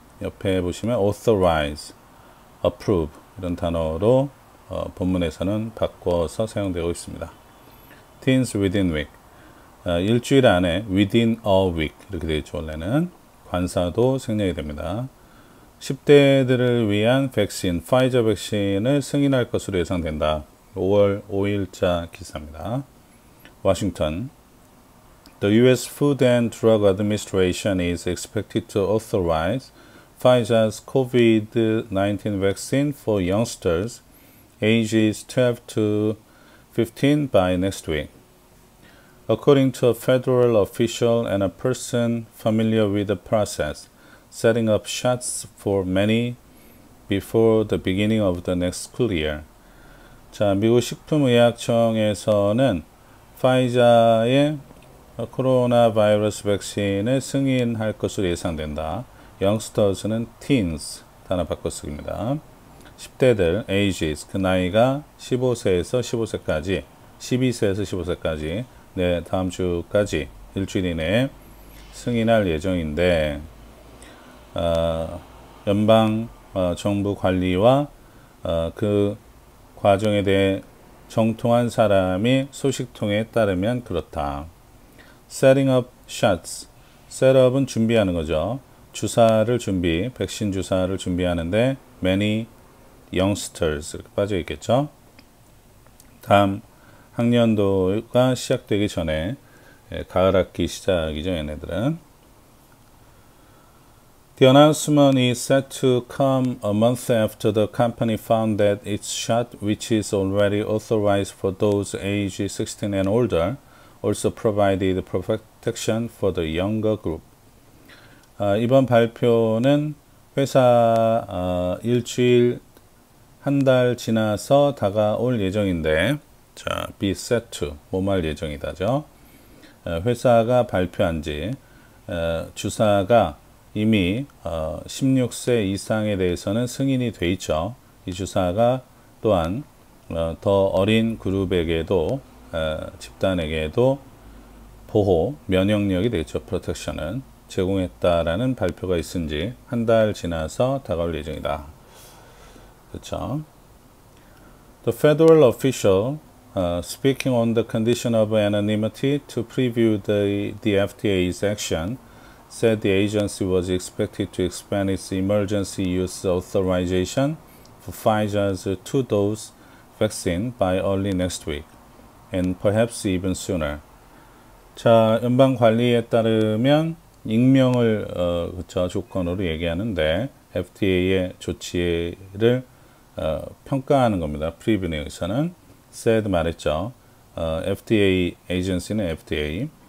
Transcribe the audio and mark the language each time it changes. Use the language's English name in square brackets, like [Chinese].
[Korean] 옆에 보시면 authorize, approve 이런 단어로 본문에서는 바꿔서 사용되고 있습니다. [English] Teens within week. [Korean] 일주일 안에 [English] within a week [Korean] 이렇게 되어 있죠. 원래는 관사도 생략이 됩니다. 10대들을 위한 백신, 화이자 백신을 승인할 것으로 예상된다. 5월 5일자 기사입니다. 워싱턴. [English] The US Food and Drug Administration is expected to authorize Pfizer's COVID-19 vaccine for youngsters ages 12 to 15 by next week. According to a federal official and a person familiar with the process, setting up shots for many before the beginning of the next school year. [Korean] 자, 미국 식품의약청에서는 화이자의 코로나 바이러스 백신을 승인할 것으로 예상된다. Youngsters는 teens, 단어 바꿔 쓰기입니다. 10대들, ages, 그 나이가 15세에서 15세까지, 12세에서 15세까지, 네, 다음 주까지, 일주일 이내에 승인할 예정인데, 연방 정부 관리와 그 과정에 대해 정통한 사람이 소식통에 따르면 그렇다. [English] Setting up shots. [Korean] Setup은 준비하는 거죠. 주사를 준비, 백신 주사를 준비하는데, [English] many youngsters. [Korean] 이렇게 빠져 있겠죠. 다음 학년도가 시작되기 전에, 가을 학기 시작이죠, 얘네들은. [English] The announcement is set to come a month after the company found that its shot, which is already authorized for those aged 16 and older, also provided perfect protection for the younger group. [Korean] 이번 발표는 회사 일주일 한달 지나서 다가올 예정인데, 자, be set to 뭐뭐할 예정이다죠. 회사가 발표한 지 주사가 이미 16세 이상에 대해서는 승인이 돼 있죠. 이 주사가 또한 더 어린 그룹에게도 집단에게도 보호, 면역력이 되겠죠. 프로텍션은 제공했다라는 발표가 있은 지한달 지나서 다가올 예정이다. 그렇죠? [English] The federal official, speaking on the condition of anonymity to preview the FDA's action, said the agency was expected to expand its emergency use authorization for Pfizer's two-dose vaccine by early next week, and perhaps even sooner. [Korean] 자, 연방 관리에 따르면 익명을 그쵸, 조건으로 얘기하는데 FDA의 조치를 평가하는 겁니다. 프리뷰 내용에서는 said 말했죠. FDA 에이전시는 FDA.